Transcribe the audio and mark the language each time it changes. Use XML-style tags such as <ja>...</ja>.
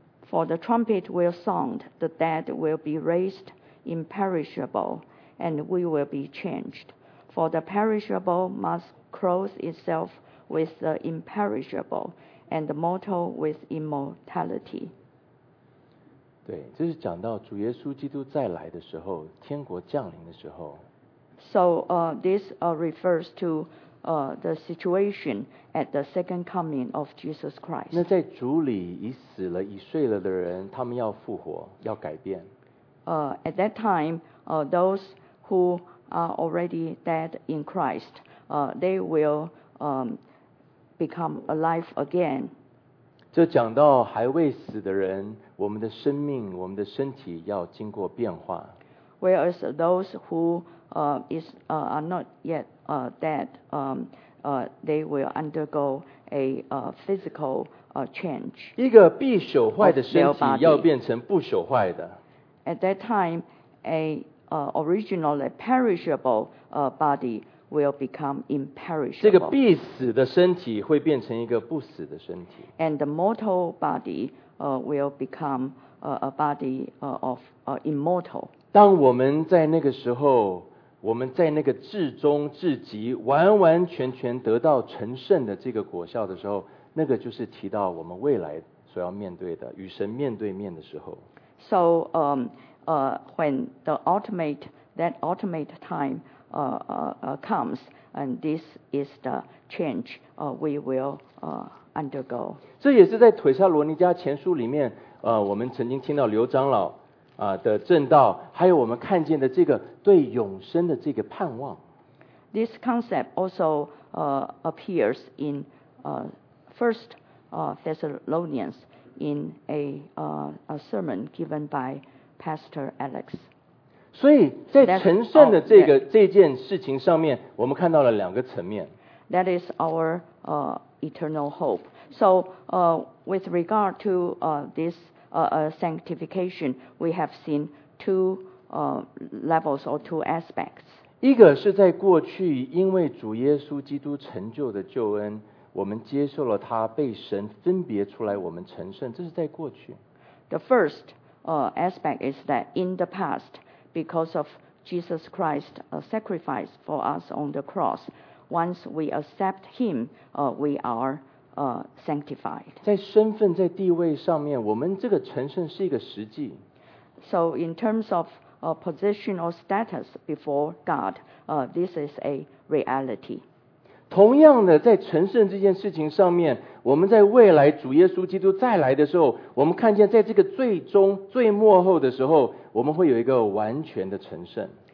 <en>For the trumpet will sound, the dead will be raised imperishable, and we will be changed. For the perishable must clothe itself with the imperishable, and the mortal with immortality.</en> <zh>对，这是讲到主耶稣基督再来的时候，天国降临的时候。</zh> <en>So, this refers to the situation at the second coming of Jesus Christ.</en> <zh>那在主里已死了、已睡了的人，他们要复活，要改变。</zh> <en>At that time, those who are already dead in Christ, they will become alive again.</en> <zh>这讲到还未死的人，我们的生命、我们的身体要经过变化。</zh> <en>Whereas those who are not yet dead, they will undergo a physical change.</en> <zh>一个必朽坏的身体要变成不朽坏的。</zh> <en>At that time, a originally perishable body will become imperishable.</en> <zh>这个必死的身体会变成一个不死的身体。</zh> <en>And the mortal body will become a body of immortal.</en> <zh>当我们在那个时候，我们在那个至终至极完完全全得到成圣的这个果效的时候，那个就是提到我们未来所要面对的与神面对面的时候。</zh> <en>So, when the ultimate time comes, and this is the change we will undergo.</en> <zh>这也是在腿下罗尼加前书里面，我们曾经听到刘长老的证道，还有我们看见的这个对永生的这个盼望。</zh> <en>This concept also appears in First Thessalonians in a sermon given by Pastor Alex.</en> <zh>所以在成圣的这件事情上面，我们看到了两个层面。</zh> <en>That is our eternal hope. So, with regard to this sanctification, we have seen two levels or two aspects.</en> <zh>一个是在过去，因为主耶稣基督成就的救恩，我们接受了他被神分别出来，我们成圣，这是在过去。</zh> <en>The first aspect is that in the past. Because of Jesus Christ's sacrifice for us on the cross, once we accept Him, we are sanctified.</en> <zh>在身份、在地位上面，我们这个成圣是一个实际。</zh> <en>So in terms of position or status before God, this is a reality.</en> <zh>同样的，在成圣这件事情上面，我们在未来主耶稣基督再来的时候，我们看见在这个最终、最末后的时候。我们会有一个完全的成圣。</zh>